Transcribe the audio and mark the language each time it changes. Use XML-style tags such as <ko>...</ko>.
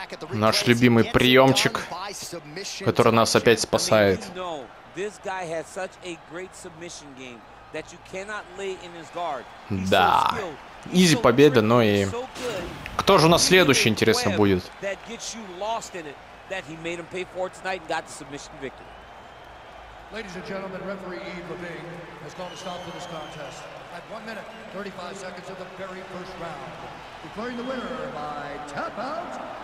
<ru>Наш любимый приемчик, который нас опять спасает.</ru> <en>This guy has such a great submission game that you cannot lay in his guard.</en> <ru>Да. Изи победа, но и кто же у нас следующий, интересно, будет?</ru> <en>That gets you lost in it, that he made him pay for it tonight and got the submission victory. Ladies and gentlemen, referee Eve Levine has called a stop to this contest at 1 minute 35 seconds of the very first round, declaring the winner by tap out.</en>